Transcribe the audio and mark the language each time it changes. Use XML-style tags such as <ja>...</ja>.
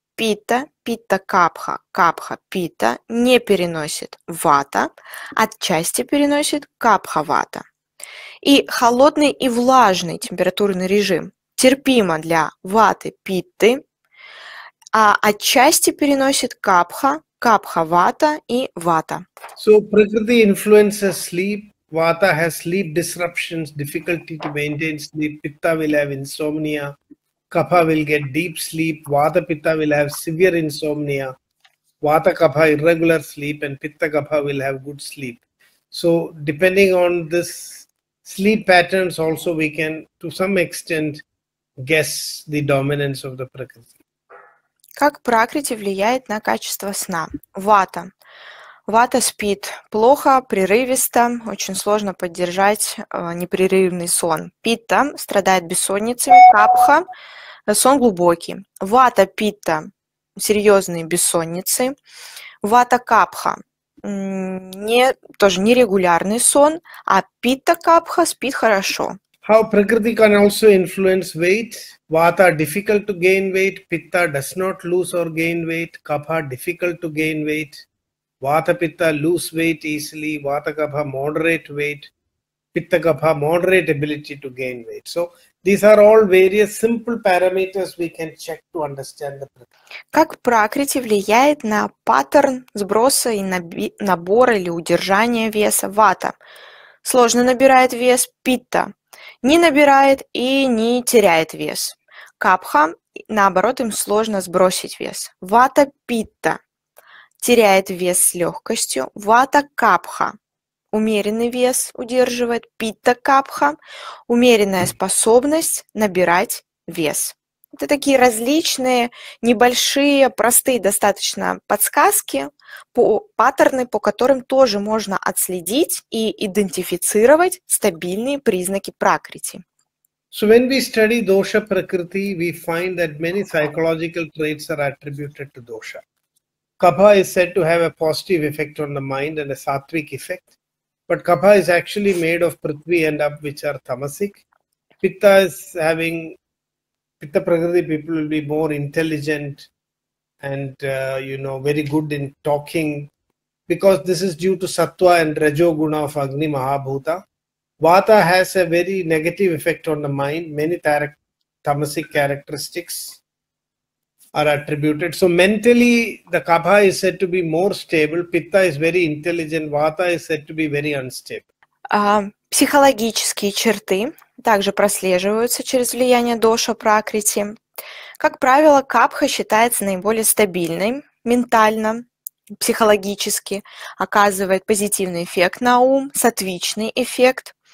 <ru>Питта, питта-капха, капха-питта не переносит вата, отчасти переносит капха-вата. И холодный и влажный температурный режим терпимо для ваты-питты, а отчасти переносит капха, капха-вата и вата.</ru> <en>So, prakriti influences sleep. Vata has sleep disruptions, difficulty to maintain sleep. Pitta will have insomnia. Kapha will get deep sleep. Vata Pitta will have severe insomnia. Vata Kapha irregular sleep, and Pitta Kapha will have good sleep. So, depending on this sleep patterns, also we can, to some extent, guess the dominance of the prakriti.</en> <ru>Как прокрити влияет на качество сна? Вата. Вата спит плохо, прерывисто, очень сложно поддержать непрерывный сон. Питта страдает бессонницей, капха, сон глубокий. Вата питта – серьезные бессонницы. Вата капха – тоже нерегулярный сон, а питта капха спит хорошо.</ru> <en>How prakriti can also influence weight. Vata difficult to gain weight. Pitta does not lose or gain weight. Kapha difficult to gain weight. Vata Pitta lose weight easily. Vata Kapha moderate weight. Pitta Kapha moderate ability to gain weight. So these are all various simple parameters we can check to understand the prakriti.</en> <ru>Как прокрити влияет на паттерн сброса и набор или удержание веса? Вата сложно набирает вес. Питта не набирает и не теряет вес. Капха наоборот, им сложно сбросить вес. Вата Питта теряет вес с легкостью. Вата капха умеренный вес удерживает. Питта капха умеренная способность набирать вес. Это такие различные, небольшие, простые достаточно подсказки, по паттерны, по которым тоже можно отследить и идентифицировать стабильные признаки прокрити.</ru> <en>So when we study dosha prakriti, we find that many psychological traits are attributed to dosha. Kapha is said to have a positive effect on the mind and a sattvic effect. But Kapha is actually made of prithvi and up, which are tamasic. Pitta is having, Pitta Prakriti people will be more intelligent and, very good in talking, because this is due to sattva and rajoguna of Agni Mahabhuta. Vata has a very negative effect on the mind. Many tamasic characteristics are attributed. So mentally, the Kapha is said to be more stable. Pitta is very intelligent. Vata is said to be very unstable.</en> <ru>Психологические черты также прослеживаются через влияние доша пракрити. Как правило, капха считается наиболее стабильной ментально, психологически, оказывает позитивный эффект на ум, сатвичный эффект.</ru>